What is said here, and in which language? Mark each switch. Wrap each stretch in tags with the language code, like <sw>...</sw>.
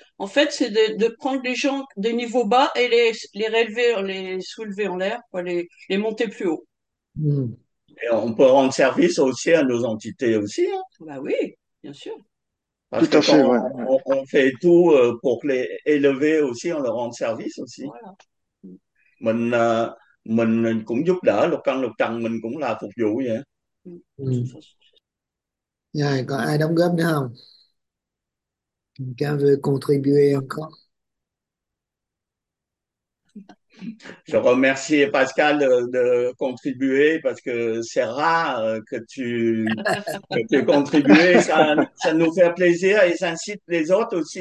<fr>En fait, c'est de prendre les gens des niveaux bas et les relever, les soulever en l'air, quoi, les monter plus haut. Et on peut rendre service aussi à nos entités aussi, hein. Ben oui, bien sûr. Parce Tout que à fait, quand ouais. on fait tout pour les élever aussi, on leur rend service aussi. Voilà.</fr> <vi>Mình cũng giúp đỡ lục căn lục trần, mình cũng là phục vụ vậy. Rồi, có ai đóng góp nữa không?</vi> <fr>Quelqu'un veut contribuer encore? Je remercie Pascal de contribuer parce que c'est rare que tu contribues. Ça nous fait plaisir et ça incite les autres aussi</fr>